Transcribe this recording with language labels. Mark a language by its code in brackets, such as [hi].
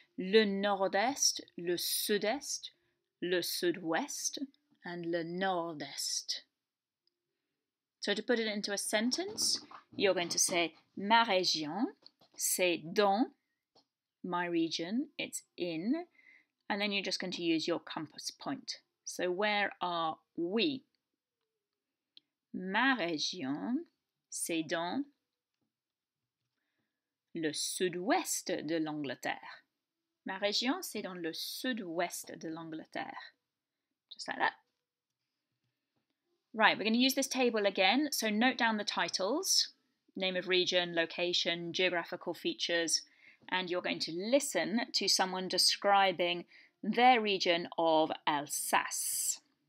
[fr] Le nord-est, le sud-est, le sud-ouest, and le nord-est. [en] So to put it into a sentence, you're going to say, [fr] ma région, c'est dans [en] my region, it's in, and then you're just going to use your compass point. So where are we? [fr] Ma région, c'est dans le sud-ouest de l'Angleterre. Ma région, c'est dans le sud-ouest de l'Angleterre. [en] Just like that. Right, we're going to use this table again. So note down the titles, name of region, location, geographical features, and you're going to listen to someone describing their region of Alsace.